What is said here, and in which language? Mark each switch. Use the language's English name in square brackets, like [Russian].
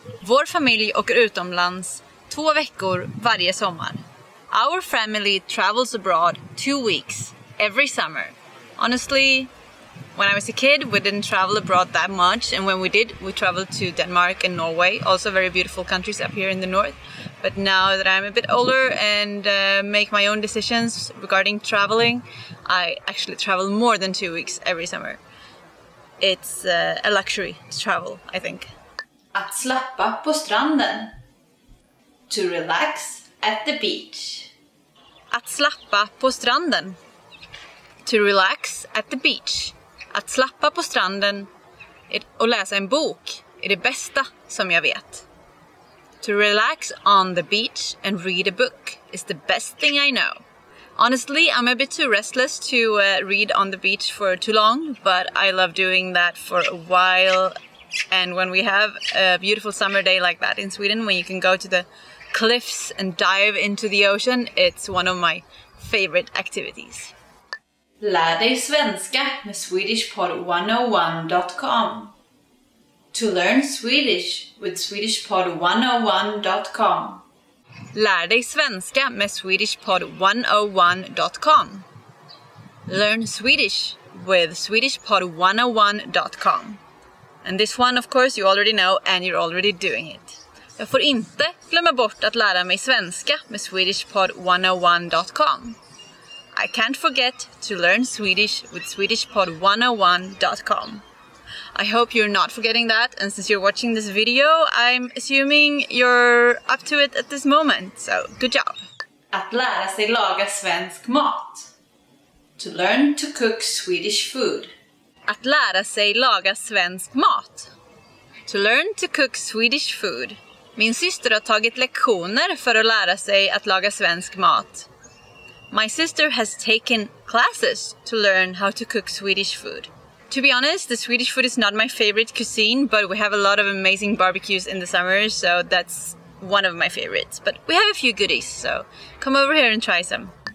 [Swedish] Vår familj åker utomlands 2 veckor varje sommar. [English] Our family travels abroad 2 weeks every summer. Honestly, when I was a kid, we didn't travel abroad that much. And when we did, we traveled to Denmark and Norway. Also very beautiful countries up here in the north. But now that I'm a bit older and make my own decisions regarding traveling, I actually travel more than 2 weeks every summer. It's a luxury to travel, I think. [Swedish] Att slappa på stranden. [English] To relax at the beach. [Swedish] Att slappa på stranden. [English] To relax at the beach. [Swedish] Att slappa på stranden och läsa en bok är det bästa som jag vet. [English] To relax on the beach and read a book is the best thing I know. Honestly, I'm a bit too restless to read on the beach for too long, but I love doing that for a while. And when we have a beautiful summer day like that in Sweden, when you can go to the cliffs and dive into the ocean, it's one of my favorite activities. [Swedish] Lär dig svenska med SwedishPod101.com. [English] To learn Swedish with SwedishPod101.com. [Swedish] Lär dig svenska med SwedishPod101.com. [English] Learn Swedish with SwedishPod101.com. And this one, of course, you already know and you're already doing it. [Swedish] Jag får inte glömma bort att lära mig svenska med SwedishPod101.com. [English] I can't forget to learn Swedish with SwedishPod101.com. I hope you're not forgetting that, and since you're watching this video, I'm assuming you're up to it at this moment, so good job! [Swedish] Att lära sig laga svensk mat. [English] To learn to cook Swedish food. [Swedish] Att lära sig laga svensk mat. [English] To learn to cook Swedish food. [Swedish] Min syster har tagit lektioner för att lära sig att laga svensk mat. [English] My sister has taken classes to learn how to cook Swedish food. To be honest, the Swedish food is not my favorite cuisine, but we have a lot of amazing barbecues in the summer, so that's one of my favorites. But we have a few goodies, so come over here and try some.